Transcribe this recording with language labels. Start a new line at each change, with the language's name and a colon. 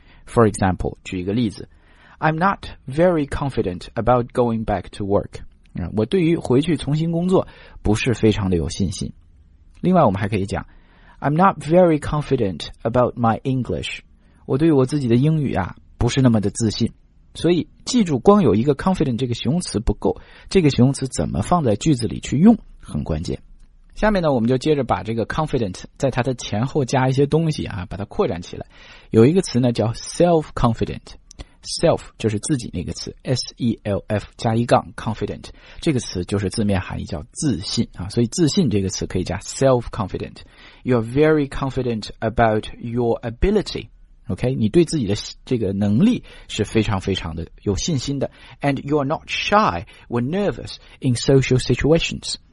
English: For example，
Chinese: 举一个例子，
English: I'm not very confident about going back to work。
Chinese: 我对于回去重新工作不是非常的有信心。另外我们还可以讲
English: I'm not very confident about my English。
Chinese: 我对我自己的英语啊不是那么的自信。所以记住，光有一个 confident 这个形容词不够，这个形容词怎么放在句子里去用很关键。下面呢，我们就接着把这个 confident 在它的前后加一些东西啊，把它扩展起来。有一个词呢叫 self-confident。self 就是自己那个词， self 加一杠 confident， 这个词就是字面含义叫自信啊。所以自信这个词可以加
English: self-confidentYou're very confident about your ability.
Chinese: OK， 你对自己的这个能力是非常非常的有信心的。
English: And you're not shy or nervous in social situations.